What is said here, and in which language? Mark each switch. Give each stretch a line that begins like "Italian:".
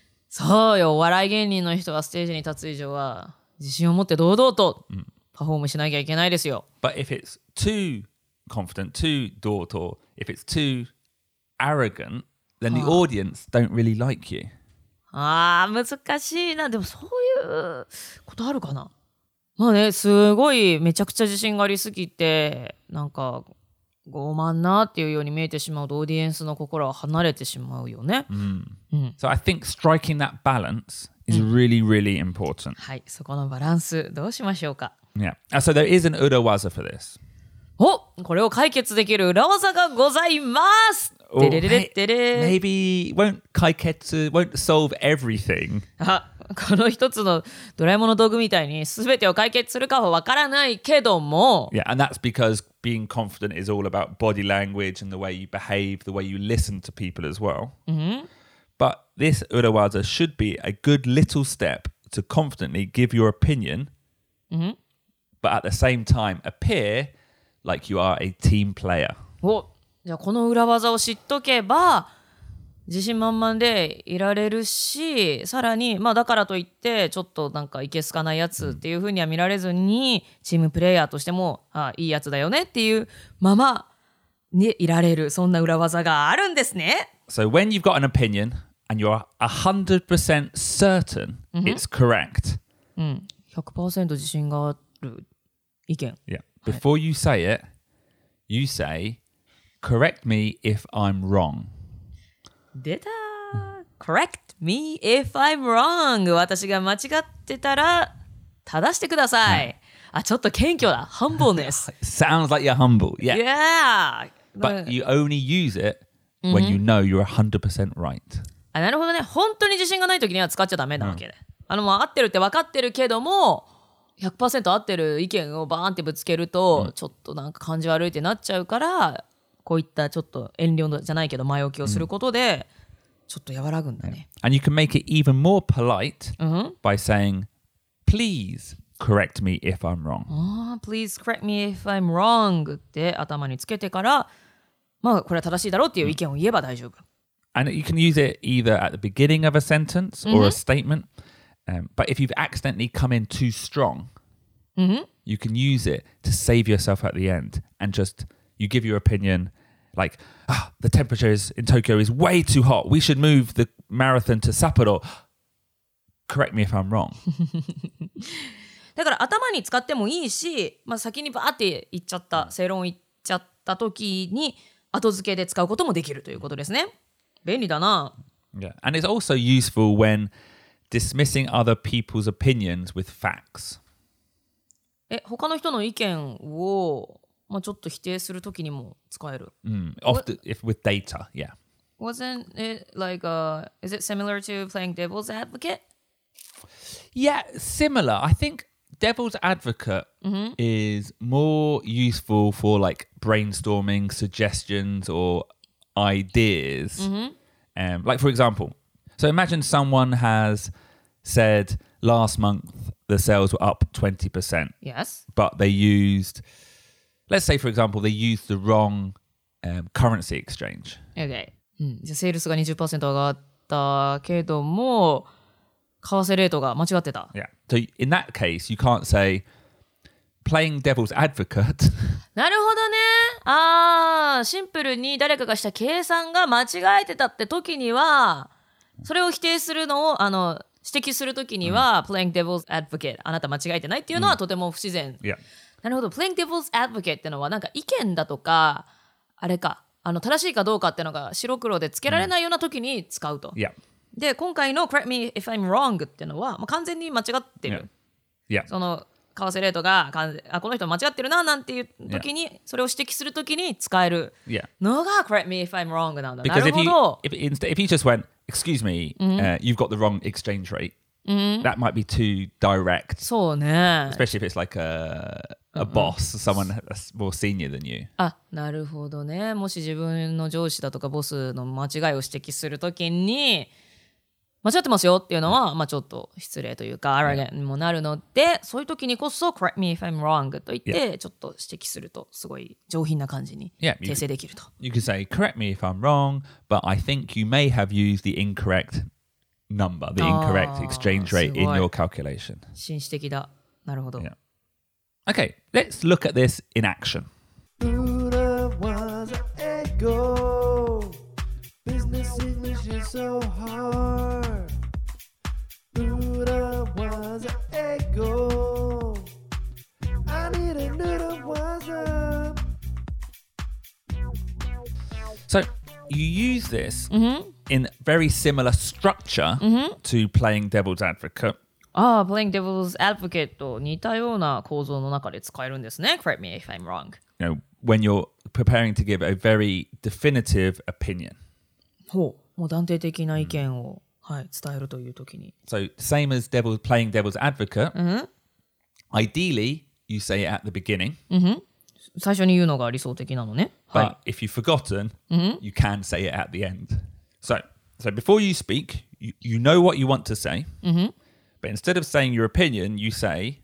Japanese: そうよ、お笑い芸人の人がステージに立つ以上は自信を持って堂々と、うんパフォームしなきゃいけないですよ。
English: But if it's too confident, too dour, or if it's too arrogant, then the audience don't really like you.
Japanese: ああ、難しいな。でもそういうことあるかな。まあね、すごいめちゃくちゃ自信がありすぎて、なんか傲慢なっていうように見えてしまうとオーディエンスの心は離れてしまうよね。 Mm. Mm.
English: So I think striking that balance is really, really important.
Japanese: はい、そこのバランスどうしましょうか。
English: Yeah. So there is an Uda waza for this.
Japanese: お、これを解決できる裏技がございます。
English: Maybe won't 解決 won't solve everything.
Japanese: あ、この一つのドラえもんの道具みたいに全てを解決するかはわからないけども。
English: Yeah, and that's because being confident is all about body language and the way you behave, the way you listen to people as well. But this Uda waza should be a good little step to confidently give your opinion. But at the same time, appear like you are a team player.
Japanese: お、じゃあこの裏技を知っとけば自信満々でいられるし、さらにまあだからといってちょっとなんかいけすかないやつっていうふうには見られずに、うん、チームプレイヤーとしてもあいいやつだよねっていうままにいられる、そんな裏技があるんですね。
English: So when you've got an opinion and you're 100% certain it's correct.
Japanese: うん、100% 自信がある意見。
English: Yeah. Before you say it, you say, correct me if I'm wrong.
Japanese: 出た
English: Correct me if I'm wrong.
Japanese: 私が間違ってたら正してください。 Yeah. あ、ちょっと謙虚だ。Humbleness.
English: Sounds like you're humble. Yeah. Yeah. But you only use it when、mm-hmm. you know you're 100% right.
Japanese: あ、なるほどね。本当に自信がない時には使っちゃダメなわけで。 Mm. あの合ってるって分かってるけども 100% 合ってる意見をバーンってぶつけると、うん、ちょっとなんか感じ悪いってなっちゃうから、こういったちょっと遠慮じゃないけど前置きをすることで、うん、ちょっと和らぐんだね。
English: And you can make it even more polite by saying Please correct me if I'm wrong. Please correct me if I'm wrong
Japanese: って頭につけてから、まあこれは正しいだろうっていう意見を言えば大丈夫。
English: And you can use it either at the beginning of a sentence or a statementBut if you've accidentally come in too strong, you can use it to save yourself at the end and just, you give your opinion like,、oh, the temperature is in Tokyo is way too hot. We should move the marathon to Sapporo. Correct me if I'm wrong.
Japanese: だから頭に使ってもいいし、まあ、先にバーって言っちゃった、正論言っちゃった時に後付けで使うこともできるということですね。便利だな。
English: Yeah. And it's also useful whenDismissing other people's opinions with facts.
Japanese: え、他の人の意見を、まあ、ちょっと否定するときにも使える。
English: Often, if with data, yeah. Wasn't it like a, is it similar to playing devil's advocate? Yeah, similar. I think devil's advocate is more useful for like brainstorming suggestions or ideas. Like for example, so imagine someone has... said last month the sales were up 20%. Yes. But they used, let's say for example, they used the wrong、currency exchange. Okay.
Japanese: じゃあセールスが 20% 上がったけども、為替レートが間違ってた。
English: Yeah. So in that case, you can't say playing devil's advocate.
Japanese: なるほどね。ああ、シンプルに誰かがした計算が間違えてたって時には、それを否定するのを、あの、指摘するときには、
English: playing devil's advocate、
Japanese: あなた間違えてないっていうのはとても不自然。
English: Yeah.
Japanese: なるほど、
English: playing devil's advocate
Japanese: ってのはなんか意見だとか、あれか、あの正しいかどうかっていうのが白黒でつけられないような時に使うと、うん、で今回の
English: Correct me if I'm wrong
Japanese: っていうのは、まあ、完全に間違ってる、
English: yeah. Yeah.
Japanese: その為替レートが完全あこの人間違ってるななんていう時に、
English: yeah.
Japanese: それを指摘する時に使えるのが
English: Correct me if I'm wrong
Japanese: なんだ、
English: Because、
Japanese: なるほど
English: if, he, if, instead, if he just went excuse me、mm-hmm. You've got the wrong exchange rate、 mm-hmm. That might be too direct
Japanese: そうね
English: Especially if it's like a boss、mm-hmm. Someone that's more senior than you
Japanese: あなるほどねもし自分の上司だとかボスの間違いを指摘する時に間違ってますよっていうのは、yeah. まあちょっと失礼というか、アラゲンにもなるので、yeah. そういう時にこそ、
English: correct me if I'm wrong
Japanese: と言って、yeah. ちょっと指摘すると、すごい上品な感じに訂正できると。
English: Yeah. You can say, correct me if I'm wrong, but I think you may have used the incorrect number, the incorrect exchange rate in your calculation.
Japanese: 紳士的だ。なるほど。
English: Yeah. Okay, let's look at this in action. Buddha was an ego. Business English is so hard. So, you use this、 mm-hmm. in very similar structure、 mm-hmm. to playing devil's advocate.
Japanese: Ah,
English: playing devil's advocate
Japanese: と似たような構造の中で使えるんですね。
English: Correct me if I'm wrong. You know, when you're preparing to give a very definitive opinion.
Japanese: ほう、もう断定的な意見を、mm-hmm. はい、伝えるという時に。
English: So, same as playing devil's advocate,、 mm-hmm. ideally, you say it at the beginning.、 Mm-hmm.
Japanese: 最初に言うのが理想的なのね。
English: But if you've forgotten,、 mm-hmm. you can say it at the end. So before you speak, you know what you want to say,、 mm-hmm. but instead of saying your opinion, you say,、